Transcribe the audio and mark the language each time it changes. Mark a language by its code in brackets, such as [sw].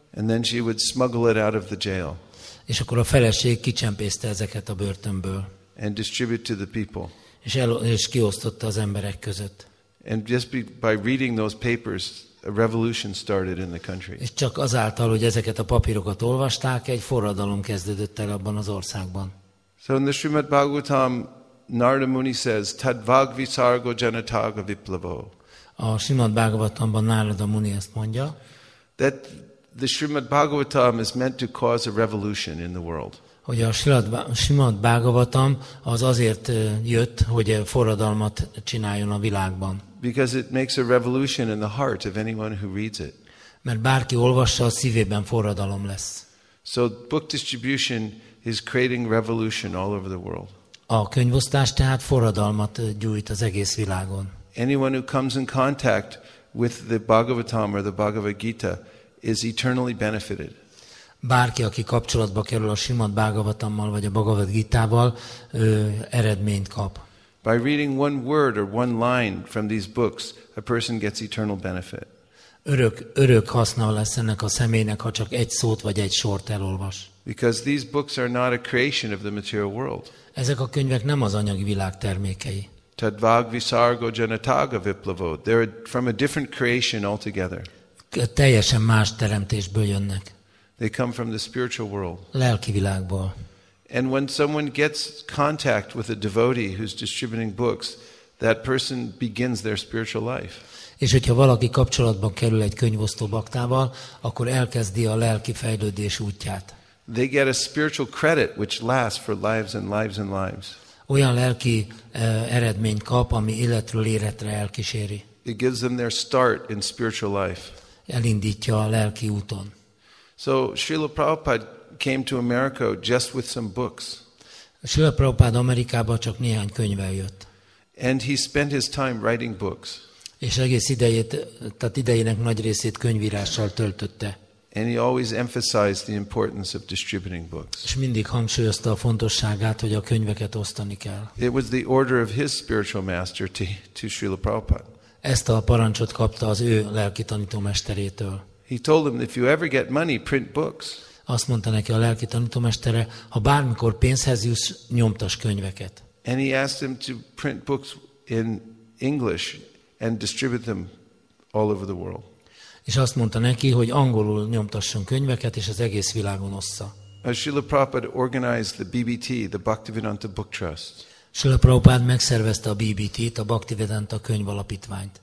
[en] And then she would smuggle it out of the jail. [hu] És akkor a feleség kicsempészte ezeket a börtönből. [en] And distribute to the people. [hu] És kiosztotta az emberek között. [en] And just by reading those papers, a revolution started in the country. [hu] És csak azáltal, hogy ezeket a papírokat olvasták, egy forradalom kezdődött el abban az országban. [en] So in the Srimad Bhagavatam, Narada Muni says, [sa] Tad vag visargo janataga viplavo. [hu] A Srimad Bhagavatamban Narada Muni ezt mondja. [en] That the Srimad Bhagavatam is meant to cause a revolution in the world. [hu] Hogy a Srimad Bhagavatam az azért jött, hogy forradalmat csináljon a világban. [en] Because it makes a revolution in the heart of anyone who reads it. [hu] Mert bárki olvassa, a szívében forradalom lesz. [en] So book distribution is creating revolution all over the world. [hu] A könyvosztás tehát forradalmat gyújt az egész világon. [en] Anyone who comes in contact with the Bhagavatam or the Bhagavad Gita is eternally benefited. [hu] Bárki, aki kapcsolatba kerül a Srimad Bhagavatammal vagy a Bhagavad Gitával, eredményt kap. [en] By reading one word or one line from these books, a person gets eternal benefit. [hu] Örök haszna lesz ennek a személynek, ha csak egy szót vagy egy sort elolvas. [en] Because these books are not a creation of the material world. [hu] Ezek a könyvek nem az anyagi világ termékei. [sa] Tad vag visargo janataga viplavo. [en] They're from a different creation altogether. [hu] Teljesen más teremtésből jönnek. [en] They come from the spiritual world. [hu] Lelki világból. [en] And when someone gets contact with a devotee who's distributing books, that person begins their spiritual life. [hu] És hogyha valaki kapcsolatban kerül egy könyvosztó baktával, akkor elkezdi a lelki fejlődés útját. [en] They get a spiritual credit which lasts for lives and lives and lives. [hu] Olyan lelki eredményt kap, ami életről életre elkíséri. [en] It gives them their start in spiritual life. [hu] Elindítja a lelki úton. [en] So Srila Prabhupada came to America just with some books. [hu] Srila Prabhupada Amerikába csak néhány könyvvel jött. [en] And he spent his time writing books. [hu] És egész idejét, tehát idejének nagy részét könyvírással töltötte. [en] And he always emphasized the importance of distributing books. [hu] És mindig hangsúlyozta a fontosságát, hogy a könyveket osztani kell. [en] It was the order of his spiritual master to Srila Prabhupada. [hu] Ezt a parancsot kapta az ő lelki tanítómesterétől. [en] He told him that if you ever get money, print books. [hu] Azt mondta neki a lelki tanítómestere, ha bármikor pénzhez jussz, nyomtass könyveket. [en] And he asked him to print books in English and distribute them all over the world. [hu] És azt mondta neki, hogy angolul nyomtasson könyveket, és az egész világon ossza. [en] Srila Prabhupada organized the BBT, the Bhaktivedanta Book Trust. [hu] Srila Prabhupada megszervezte a BBT-t, a Bhaktivedanta könyvalapítványt.